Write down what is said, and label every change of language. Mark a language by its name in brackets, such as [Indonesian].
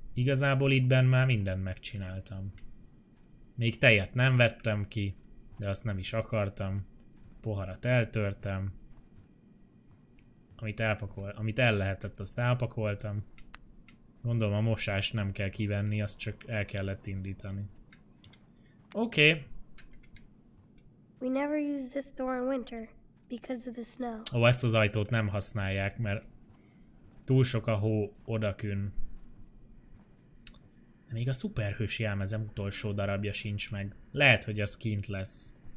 [Hungarian] Igazából itt benn már mindent megcsináltam. Még tejet nem vettem ki, de azt nem is akartam. Poharat eltörtem. Amit el lehetett, azt elpakoltam. Gondolom a mosást nem kell kivenni, azt csak el kellett indítani. Oké. [English] We never use this door in winter because of the snow. [Hungarian] Ó, ezt az ajtót nem használják, mert túl sok a hó odakünn. Még a szuperhős jelmezem utolsó darabja sincs meg. Lehet, hogy az kint lesz.